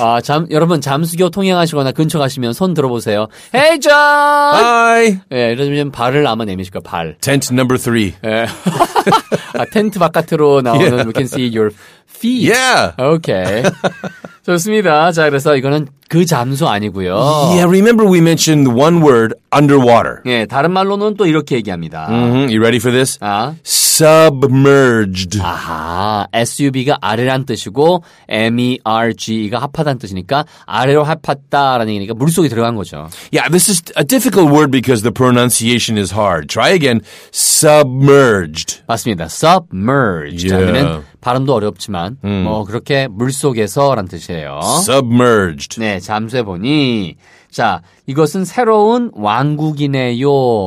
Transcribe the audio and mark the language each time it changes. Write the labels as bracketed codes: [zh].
[ko] 아, 여러분 잠수교 통행하시거나 근처 가시면 손 들어보세요. [en] Hey, John! Hi! [ko] 예, 이러면 발을 아마 내미실 거예요, 발. [en] Tent number three. 예. [ko] 아, 텐트 바깥으로 나오는 [en] yeah. We can see your feet. Yeah! [ko] Okay. 좋습니다. 자, 그래서 이거는 그 잠수 아니고요. [en] Yeah, remember we mentioned the one word, underwater. [ko] 예, 다른 말로는 또 이렇게 얘기합니다. [en] Mm-hmm. You ready for this? 아. Submerged. [ko] 아하, SUB가 아래란 뜻이고 MERG가 합하다는 뜻이니까 아래로 합했다라는 얘기니까 물속에 들어간 거죠. [en] Yeah, this is a difficult word because the pronunciation is hard. Try again. Submerged. [ko] 맞습니다. Submerged. [en] Yeah. [ko] 하면은 발음도 어렵지만 뭐 그렇게 물속에서란 뜻이에요. [en] Submerged. [ko] 네, 잠수해보니 자, 이것은 새로운 왕국이네요.